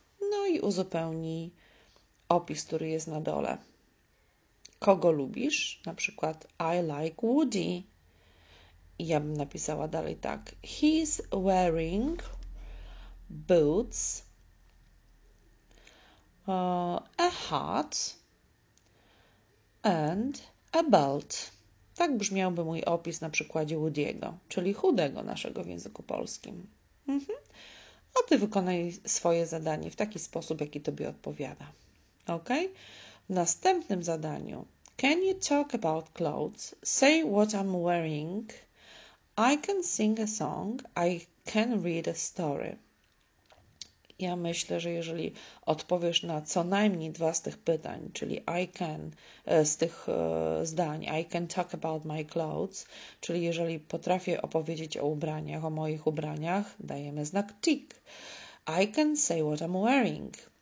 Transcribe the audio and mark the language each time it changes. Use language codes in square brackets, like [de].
[pl] No i uzupełnij opis, który jest na dole. Kogo lubisz? Na przykład [en] I like Woody. [pl] I ja bym napisała dalej tak. [en] He's wearing boots, a hat and a belt. [pl] Tak brzmiałby mój opis na przykładzie Woody'ego, czyli chudego naszego w języku polskim. A ty wykonaj swoje zadanie w taki sposób, jaki tobie odpowiada. Ok, w następnym zadaniu. [en] Can you talk about clothes? Say what I'm wearing. I can sing a song. I can read a story. [pl] Ja myślę, że jeżeli odpowiesz na co najmniej dwa z tych pytań, czyli [en] I can, [pl] z tych zdań, [en] I can talk about my clothes, [pl] czyli jeżeli potrafię opowiedzieć o ubraniach, o moich ubraniach, dajemy znak tick. [en] I can say what I'm wearing.